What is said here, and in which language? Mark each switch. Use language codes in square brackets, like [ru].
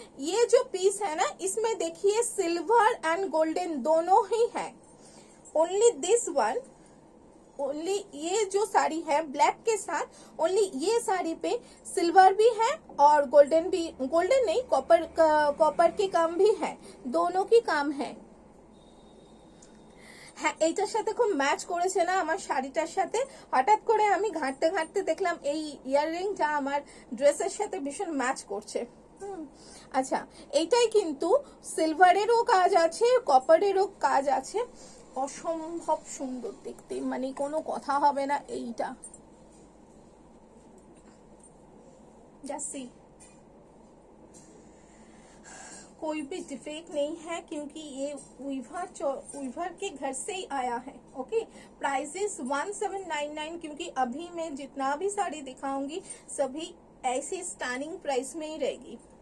[hi] ये जो पीस है ना इसमें देखिए सिल्वर एंड गोल्डन दोनों ही है. [en] only this one, [hi] ओनली ये जो साड़ी है ब्लैक के साथ, ओनली ये साड़ी पे सिल्वर भी है और गोल्डन भी, गोल्डन नहीं कॉपर, कॉपर के काम भी है, दोनों की काम है. [bn] এইটার সাথে খুব ম্যাচ করেছে না আমার শাড়িটার সাথে. হঠাৎ করে আমি ঘাঁটতে ঘাঁটতে দেখলাম এই ইয়াররিংটা আমার ড্রেসের সাথে ভীষণ ম্যাচ করছে. আচ্ছা এইটাই কিন্তু সিলভারেরও কাজ আছে, কপারেরও কাজ আছে, অসম্ভব সুন্দর দেখতে, মানে কোনো কথা হবে না. এইটা জাসি [hi] कोई भी डिफेक्ट नहीं है क्योंकि ये वीवर वीवर के घर से ही आया है. ओके प्राइसेस 1799, क्योंकि अभी मैं जितना भी साड़ी दिखाऊंगी सभी ऐसी स्टैंडिंग प्राइस में ही रहेगी.